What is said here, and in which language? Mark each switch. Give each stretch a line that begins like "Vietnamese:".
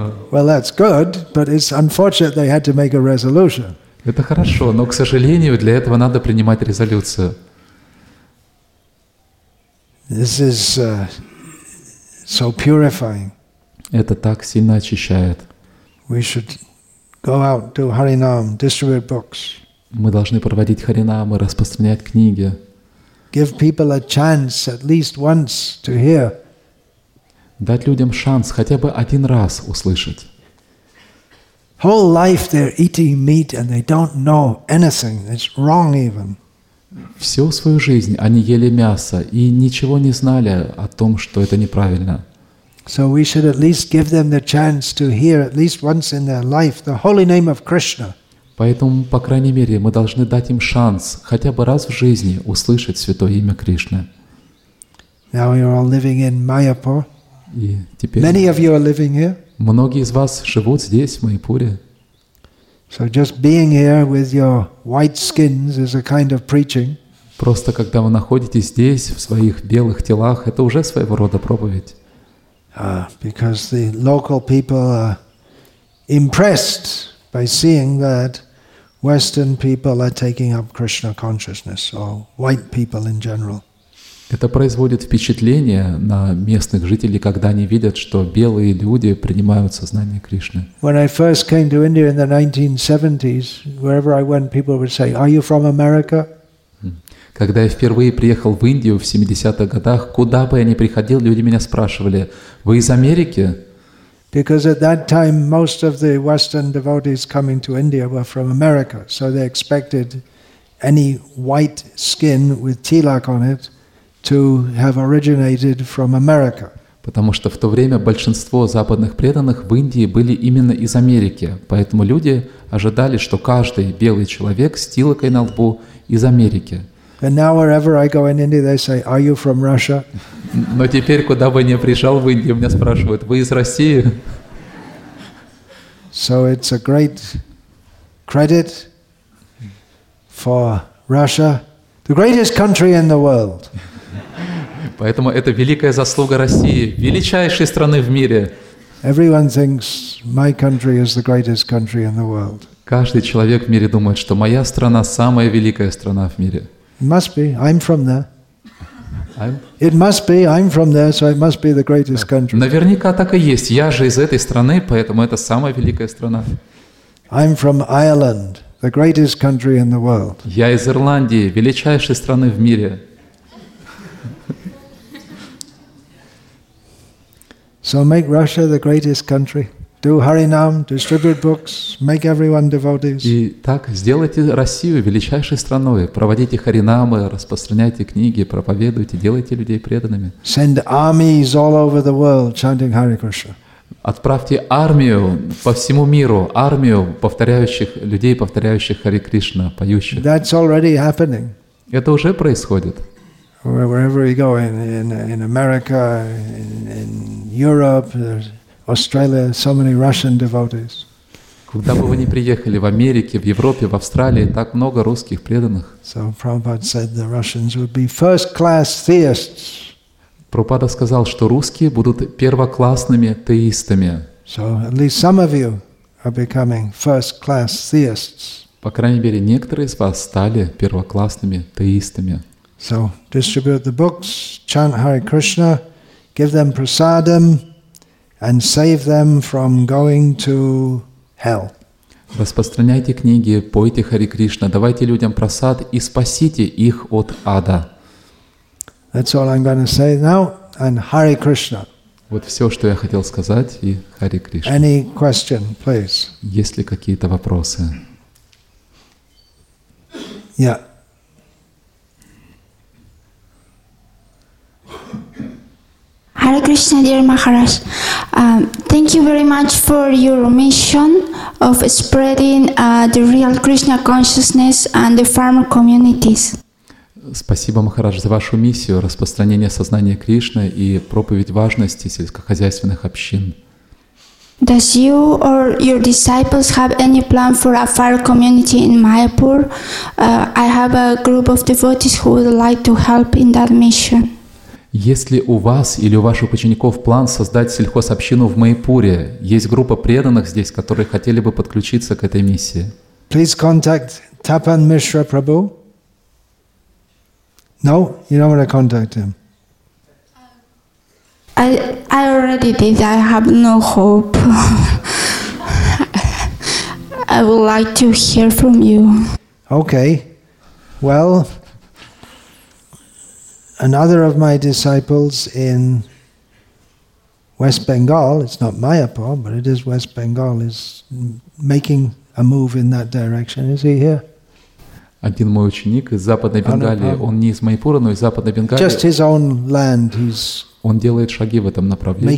English: Well, that's good, but it's unfortunate they had to make a resolution.
Russian: Это хорошо, но, к сожалению, для этого надо принимать резолюцию.
English: This is so purifying.
Russian: Это так сильно очищает.
English: We should go out, do Harinam, distribute books.
Russian: Мы должны проводить Харинамы, распространять книги.
English: Give people a chance at least once to hear.
Russian: Дать людям шанс хотя бы один раз услышать.
English: Whole life they're eating meat and they don't know anything. It's wrong even.
Russian: Всю свою жизнь они ели мясо и ничего не знали о том, что это неправильно.
English: So we should at least give them the chance to hear at least once in their life the holy name of Krishna.
Russian: Поэтому, по крайней мере, мы должны дать им шанс хотя бы раз в жизни услышать святое имя Кришны.
English: Now we are all living in Mayapur.
Russian: И теперь
English: many of you are living here.
Russian: Многие из вас живут здесь, в Майпуре.
English: So just being here with your white skins is a kind of preaching.
Russian: Просто когда вы находитесь здесь в своих белых телах, это уже своего рода проповедь.
English: Because the local people are impressed by seeing that Western people are taking up Krishna consciousness, or white people in general.
Russian: Это производит впечатление на местных жителей, когда они видят, что белые люди принимают сознание Кришны.
English: When I first came to India in the 1970s, wherever I went, people would say, "Are you from America?"
Russian: Когда я впервые приехал в Индию в 70-х годах, куда бы я ни приходил, люди меня спрашивали: "Вы из Америки?"
English: Because at that time most of the Western devotees coming to India were from America, so they expected any white skin with tilak on it to have originated from America.
Russian: Потому что в то время большинство западных преданных в Индии были именно из Америки, поэтому люди ожидали, что каждый белый человек с тилакой на лбу из Америки.
English: And now wherever I go in India, they say, "Are you from Russia?"
Russian: Но теперь, куда бы ни приезжал в Индию, меня спрашивают: "Вы из России?"
English: So it's a great credit for Russia, the greatest country in the world.
Russian: Поэтому это великая заслуга России, величайшей страны в мире.
English: Everyone thinks my country is the greatest country in the world.
Russian: Каждый человек в мире думает, что моя страна самая великая страна в мире.
English: It must be. I'm from there. It must be. I'm from there, so it must be the greatest country.
Russian: Наверняка так и есть. Я же из этой страны, поэтому это самая великая страна.
English: I'm from Ireland, the greatest country in the world.
Russian: Я из Ирландии, величайшей страны в мире.
English: So make Russia the greatest country. Do Harinam, distribute books, make everyone devotees.
Russian: И так сделайте Россию величайшей страной. Проводите харинамы, распространяйте книги, проповедуйте, делайте людей преданными.
English: Send armies all over the world chanting Hare Krishna.
Russian: Отправьте армию по всему миру, армию повторяющих людей, повторяющих Hare Krishna, поющих.
English: That's already happening.
Russian: Это уже происходит.
English: Wherever you go, in America, in Europe, there's Australia, so many Russian devotees.
Russian: Куда бы вы ни приехали, в Америке, в Европе, в Австралии, так много русских преданных.
English: So Prabhupada said the Russians would be first-class theists.
Russian: Прабхупада сказал, что русские будут первоклассными теистами.
English: So at least some of you are becoming first-class theists.
Russian: По крайней мере, некоторые из вас стали первоклассными теистами.
English: So distribute the books, chant Hare Krishna, give them prasadam, and save them from going to hell.
Russian: Распространяйте книги, пойте Хари Кришна, давайте людям просад и спасите их от ада.
English: That's all I'm going to say now, and Hare Krishna.
Russian: Вот все, что я хотел сказать, и Хари Кришна.
English: Any question, please?
Russian: Есть ли какие-то вопросы?
English: Yeah. Hare Krishna, dear Maharaj. Thank you very much for your mission of spreading the real Krishna consciousness and the farmer communities. Спасибо, Махарадж, за вашу миссию распространения сознания Кришны и проповедь важности сельскохозяйственных общин. Does you or your disciples have any plan for a fire community in Mayapur? I have a group of devotees who would like to help in that mission.
Russian: Есть ли у вас или у ваших учеников план создать сельхозобщину в Майпуре? Есть группа преданных здесь, которые хотели бы подключиться к этой миссии?
English: Please contact Tapan Mishra Prabhu. No, you don't want to contact him. I already did. I have no hope. I would like to hear from you. Okay. Well, another of my disciples in West Bengal, it's not Mayapur, but it is West Bengal, is making a move in that direction. Is he here?
Russian: Один мой ученик из Западной Бенгалии, он не из Майпура, но из Западной Бенгалии.
English: Just his own land, he's
Russian: он делает шаги в этом направлении.